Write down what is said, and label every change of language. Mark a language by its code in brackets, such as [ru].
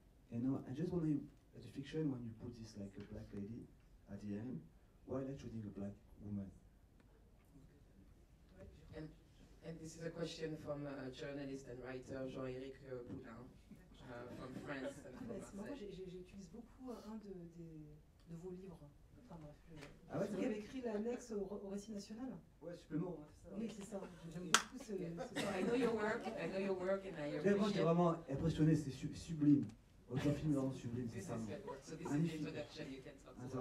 [en] You know, I just wondering, as a fiction, when you put this like a black lady at the end, why are you choosing a black woman? And this is a question from a journalist and writer, Jean-Éric Poulain, from France. [fr] J'utilise beaucoup un de vos livres. Enfin bref, c'est qui avait écrit l'annexe au récit national. Ouais, supplément. Oui, c'est ça. J'aime beaucoup ce. [en] I know your work, and I appreciate. [fr] Vraiment, j'ai vraiment impressionné. C'est sublime. Votre film est vraiment sublime, c'est ça. [en] So this is the introduction. You can talk.